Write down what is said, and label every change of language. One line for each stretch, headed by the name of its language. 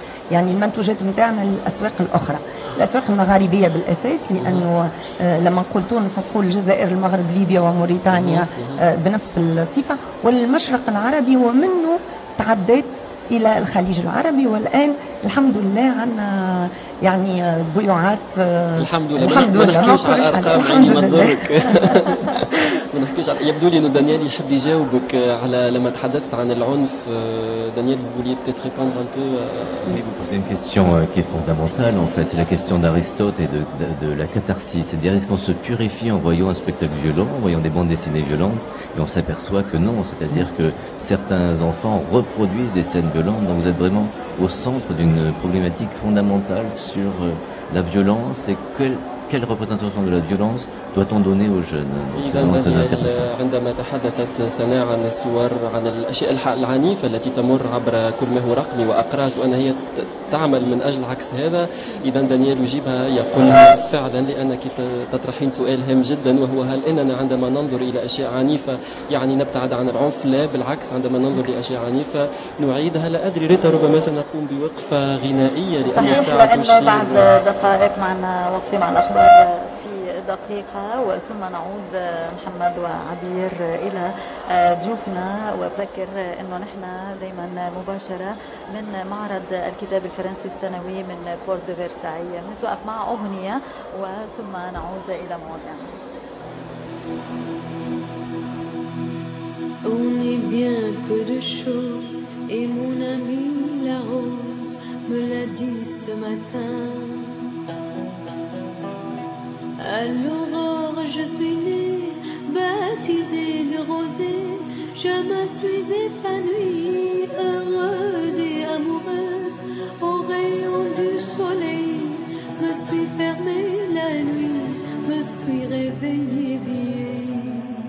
Arabic: يعني المنتوجات نتاعنا للاسواق الاخرى, الاسواق المغاربيه بالاساس, لانه لما نقول تونس نقول الجزائر المغرب ليبيا وموريتانيا بنفس الصفه, والمشرق العربي ومنه تعديت الى الخليج العربي, والان الحمد لله عندنا يعني بيعات الحمد لله. الحمد لله ما نحكيش على الارقام يعني منظرك ما نحكيش على, يبدو لي ان دانيال يحب يجاوبك على لما تحدثت عن العنف.
French: دانيال voulait peut-être répondre un peu. Oui, vous posez une question qui est fondamentale en fait, la question d'Aristote et de la catharsis, c'est-à-dire est-ce qu'on se purifie en voyant un spectacle violent, en voyant des bandes dessinées violentes, et on s'aperçoit que non, c'est-à-dire que certains enfants reproduisent des scènes violentes. Donc vous êtes vraiment au centre d'une problématique fondamentale sur la violence et quelle représentation de la violence doit-on donner aux jeunes. Donc c'est vraiment très intéressant.
Arabic: عندما تحدثت سناء عن الصور عن الأشياء العنيفة التي تمر عبر كل ما هو رقمي وأقراص وأن هي تعمل من أجل عكس هذا, إذا دانيال يجيبها يقول فعلا, لأنك تطرحين سؤال هام جدا وهو هل إننا عندما ننظر إلى أشياء عنيفة يعني نبتعد عن العنف؟ لا بالعكس, عندما ننظر لأشياء عنيفة نعيدها. لا أدري ريتا, ربما سنقوم بوقفة غنائية لأن الساعة تشير صحيح, لأنه بعد دقائق معنا وقفة مع الأخبار في دقيقة وثم نعود محمد وعبير إلى ضيوفنا. وأذكر أنه نحن دائما مباشرة من معرض الكتاب الفرنسي السنوي من بورت دو فيرساي, نتوقف مع أغنية وثم نعود إلى مواضيعنا.
French: أوني بيان بو دو شوز إي مون أمي لا روز مو لا دي سو ماتان. À l'aurore, je suis née, baptisée de rosée. Je me suis épanouie, heureuse et amoureuse. Au rayon du soleil, me suis fermée la nuit, me suis réveillée vieille.